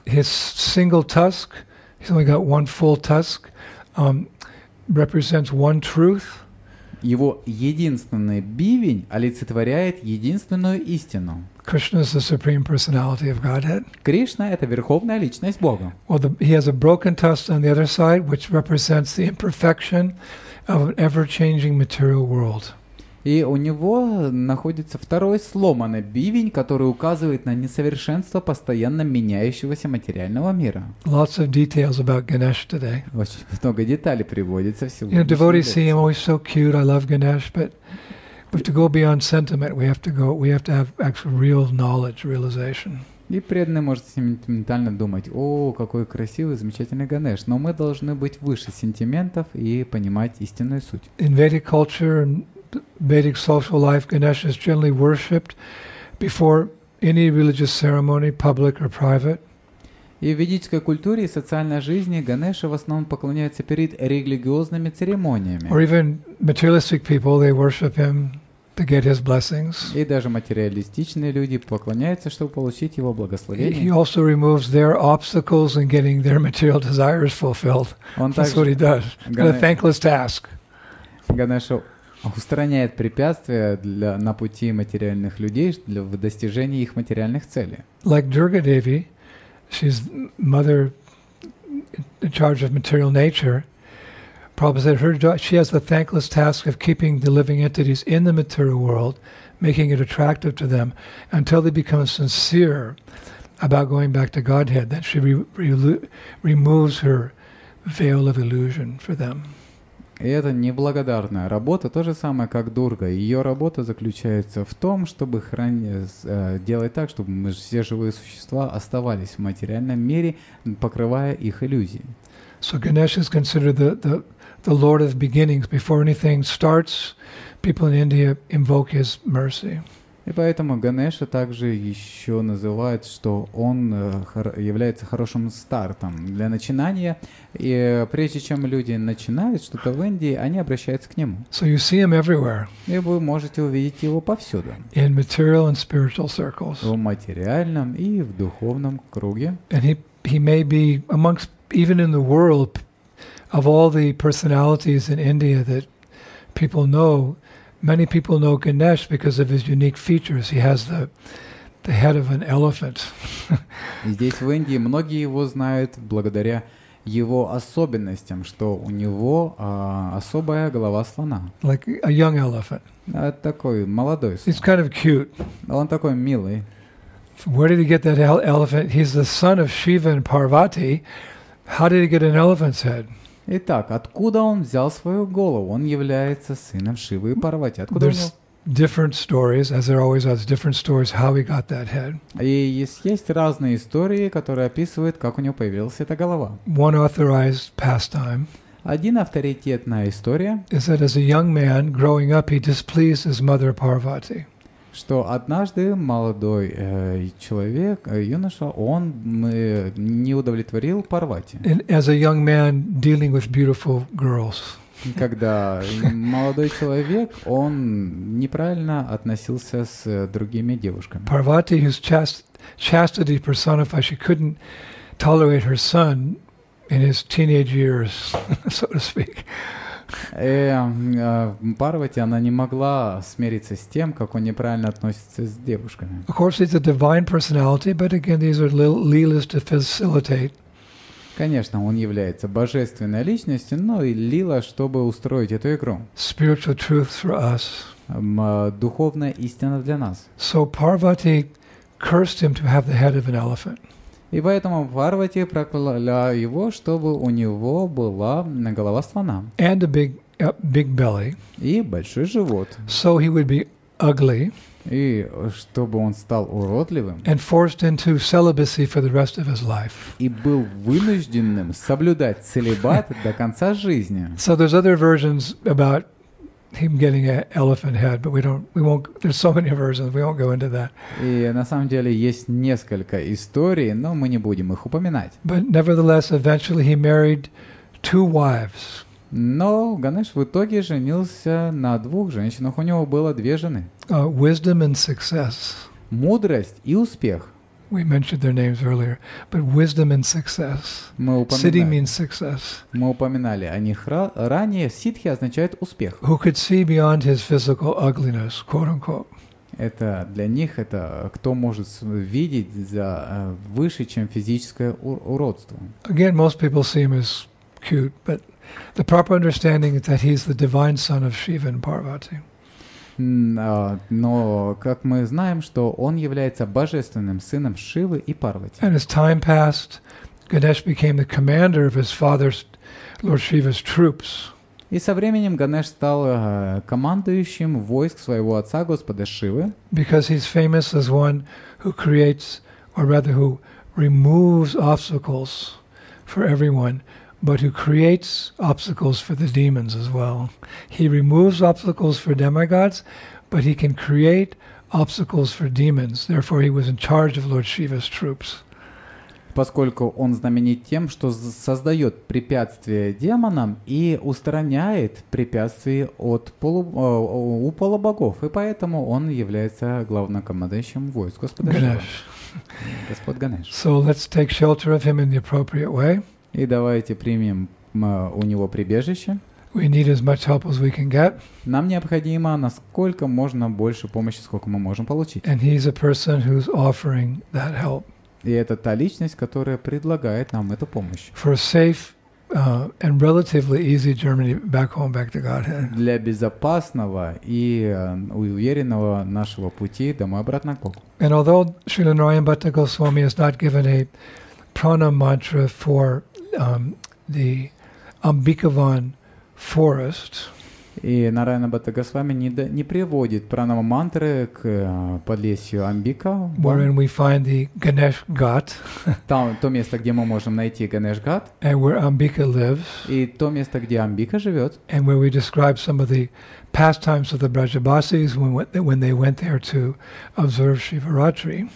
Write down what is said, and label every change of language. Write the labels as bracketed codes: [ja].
[en] His single tusk, he's only got one full tusk, represents one truth. [ru] Его единственный бивень олицетворяет единственную истину. [en] Krishna is the Supreme Personality of Godhead. [ru] Кришна — это верховная личность Бога. [en] Well, he has a broken tusk on the other side, which represents the imperfection of an ever-changing material world. [ru] И у него находится второй сломанный бивень, который указывает на несовершенство постоянно меняющегося материального мира. [en] Lots of details about Ganesh today. [ru] Очень много деталей приводится в сегодняшний день. [en] You know, devotees see him always so cute. I love Ganesh, but we have to go beyond sentiment. We have to have actual real knowledge, realization. [ru] И преданный может сентиментально думать: «О, какой красивый, замечательный Ганеш!» Но мы должны быть выше сентиментов и понимать истинную суть. [en] In Vedic culture and Vedic social life, Ganesh is generally worshipped before any religious ceremony, public or private. [ru] И в ведической культуре и социальной жизни Ганеша в основном поклоняются перед религиозными церемониями. [en] Or even materialistic people, they worship him to get his blessings. И даже материалистичные люди поклоняются, чтобы получить его благословение. He also removes their obstacles in getting their material desires fulfilled. That's what he does. What a thankless task. [ru] Ганеша устраняет препятствия для, на пути материальных людей для достижения их материальных целей. [en] Like Durga Devi, she's mother in charge of material nature. Prabhupada said her job, she has the thankless task of keeping the living entities in the material world, making it attractive to them until they become sincere about going back to Godhead. Then she removes her veil of illusion for them. [ru] И это неблагодарная работа, то же самое, как Дурга. Ее работа заключается в том, чтобы делать так, чтобы мы все живые существа оставались в материальном мире, покрывая их иллюзии. [en] So Ganesh is considered the Lord of beginnings. Before anything starts, people in India invoke his mercy. [ru] И поэтому Ганеша также еще называют, что он является хорошим стартом для начинания. И прежде чем люди начинают что-то в Индии, они обращаются к нему. [en] So you see him everywhere. [ru] И вы можете увидеть его повсюду. [en] In material and spiritual circles. [ru] В материальном и в духовном круге. [en] And he may be amongst, even in the world, of all the personalities in India that people know, many people know Ganesh because of his unique features. He has the head of an elephant. [ru] Здесь, в Индии, многие его знают благодаря его особенностям, что у него особая голова слона. [en] Like a young elephant. [ru] Такой молодой слон. [en] He's kind of cute. [ru] Он такой милый. [en] Where did he get that elephant? He's the son of Shiva and Parvati. How did he get an elephant's head? [ru] Итак, откуда он взял свою голову? Он является сыном Шивы и Парвати. Откуда [en] There's different stories, as there always are, different stories how he got that head. [ru] И есть разные истории, которые описывают, как у него появилась эта голова. [en] One authorized pastime. [ru] Один авторитетная история. [en] Is that as a young man growing up, he displeased his mother Parvati. [ru] Что однажды молодой человек, юноша, он не удовлетворил Парвати. [en] As a young man dealing with beautiful girls. [ru] Когда молодой человек, он неправильно относился с другими девушками. [en] Parvati, whose chastity personified, she couldn't tolerate her son in his teenage years, so to speak. [ru] И Парвати, она не могла смириться с тем, как он неправильно относится с девушками. [en] Of course, it's a divine personality, but again, these are lilas to facilitate. [ru] Конечно, он является божественной личностью, но и лила, чтобы устроить эту игру. [en] Spiritual truth for us. [ru] Духовная истина для нас. [en] So Parvati cursed him to have the head of an elephant. [ru] И поэтому Парвати прокляла его, чтобы у него была голова слона. [en] And a big belly. [ru] И большой живот. [en] So he would be ugly. [ru] И чтобы он стал уродливым. [en] And forced into celibacy for the rest of his life. [ru] И был вынужденным соблюдать целибат до конца жизни. [en] So there's other versions about him getting an elephant head, but we won't. There's so many versions. We won't go into that. [ru] И на самом деле есть несколько историй, но мы не будем их упоминать. [en] But nevertheless, eventually he married two wives. [ru] Но Ганеш в итоге женился на двух женщинах. У него было две жены. [en] Wisdom and success. [ru] Мудрость и успех. [en] We mentioned their names earlier, but wisdom and success. Siddhi means success. [ru] Мы упоминали о них ранее. Сиддхи означает успех. [en] Who could see beyond his physical ugliness, quote unquote? [ru] Это для них это кто может видеть за выше, чем физическое уродство. [en] Again, most people see him as cute, but the proper understanding is that he's the divine son of Shiva and Parvati. [ru] Но как мы знаем, что он является божественным сыном Шивы и Парвати. [en] And as time passed, Ganesh became the commander of his father's, Lord Shiva's troops. [ru] И со временем Ганеш стал командующим войск своего отца, Господа Шивы. [en] Because he's famous as one who creates, or rather who removes obstacles for everyone, but who creates obstacles for the demons as well. He removes obstacles for demigods, but he can create obstacles for demons. Therefore, he was in charge of Lord Shiva's troops. [ru] Поскольку он знаменит тем, что создает препятствия демонам и устраняет препятствия от у полубогов. И поэтому он является главнокомандующим войск Господа Ганеш. Господь Ганеш. [en] So let's take shelter of him in the appropriate way. [ru] И давайте примем у него прибежище. [en] We need as much help as we can get. [ru] Нам необходимо насколько можно больше помощи, сколько мы можем получить. [en] And he's a person who's offering that help. [ru] И это та личность, которая предлагает нам эту помощь. [en] For a safe and relatively easy journey back home, back to Godhead. [ru] Для безопасного и уверенного нашего пути домой обратно к Богу. [en] And although Srila Narayana Bhatta Goswami has not given a prana mantra for the Ambikavan forest. [ru] И Нараяна Бхатта Госвами не приводит пранама мантры к подлесью Амбика. [en] Wherein we find the Ganesh Ghat. [ru] Там то место, где мы можем найти Ganesh Ghat. [en] And where Ambika lives. [ru] И то место, где Амбика живет. [en] And where we describe some of the pastimes of the Brajabasis when they went there to observe Shivaratri.